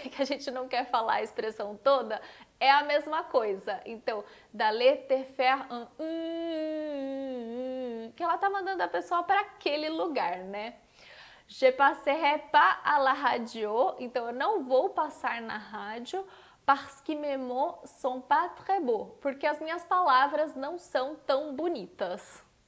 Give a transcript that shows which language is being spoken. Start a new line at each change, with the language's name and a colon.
Portuguese: Que a gente não quer falar a expressão toda. É a mesma coisa. Então,
French: d'aller te faire
Portuguese: un que ela tá mandando a pessoa para aquele lugar, né?
French: Je passerai pas à la radio.
Portuguese: Então, eu não vou passar na rádio
French: parce que mes mots sont pas très beaux.
Portuguese: Porque as minhas palavras não são tão bonitas.